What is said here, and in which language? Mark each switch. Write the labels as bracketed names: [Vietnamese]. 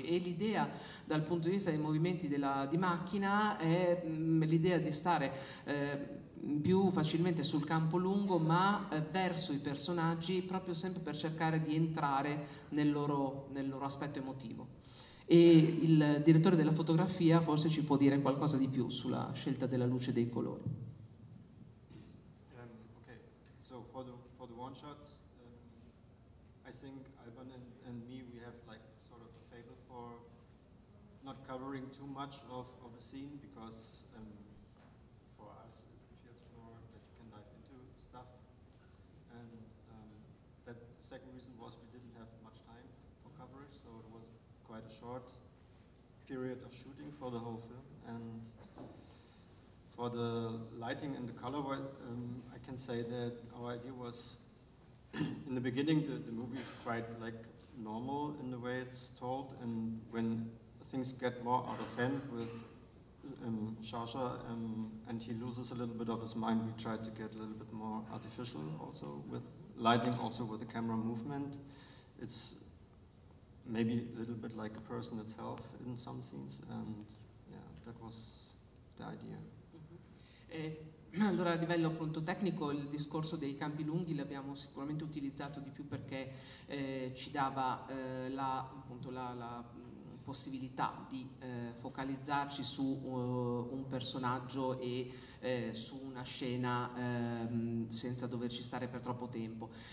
[Italian] E l'idea dal punto di vista dei movimenti di macchina è l'idea di stare più facilmente sul campo lungo, ma verso i personaggi, proprio sempre per cercare di entrare nel loro aspetto emotivo. E il direttore della fotografia forse ci può dire qualcosa di più sulla scelta della luce e dei colori. [English] Okay, so for the one shots, I think Alban and me, we have like sort of a fable for not covering too much of a scene, because for us that the second reason was we didn't have much time for coverage, so it was quite a short period of shooting for the whole film. And for the lighting and the color, I can say that our idea was in the beginning the movie is quite like normal in the way it's told, and when things get more out of hand with Sasha and he loses a little bit of his mind, we tried to get a little bit more artificial also with lighting, also with the camera movement. It's maybe a little bit like a person itself in some scenes, and yeah, that was the idea. [Italian] Allora, a livello appunto tecnico, il discorso dei campi lunghi l'abbiamo sicuramente utilizzato di più perché ci dava la possibilità di focalizzarci su un personaggio e su una scena senza doverci stare per troppo tempo.